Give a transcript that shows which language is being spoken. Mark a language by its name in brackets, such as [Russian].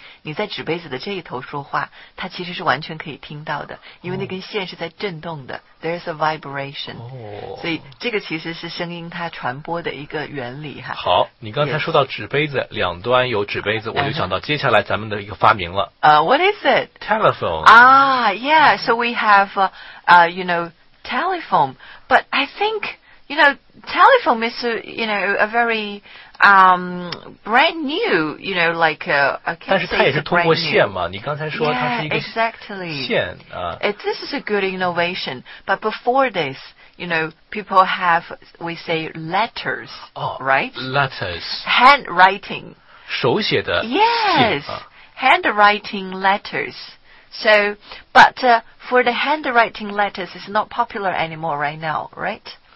[Chinese] 你在纸杯子的这一头说话，他其实是完全可以听到的，因为那根线是在震动的。哦、 [English] There is a vibration。哦。 [Chinese] 所以这个其实是声音它传播的一个原理哈。好，你刚才说到纸杯子， yes. 两端有纸杯子，我就。想到接下来咱们的一个发明了。 [English] What is it? Telephone. Ah, yeah. So we have, you know, telephone. But I think, you know, telephone is, you know, a very, brand new, you know, like a can't say it's brand new. [Chinese] 但是它也是通过线嘛，你刚才说它是一个线。 [English] Yeah, exactly. This is a good innovation. But before this, you know, people have, we say, letters, right? Letters. Handwriting. [Chinese] 手写的信。 [English] Yes, handwriting letters. So, but for the handwriting letters, it's not popular anymore right now, right?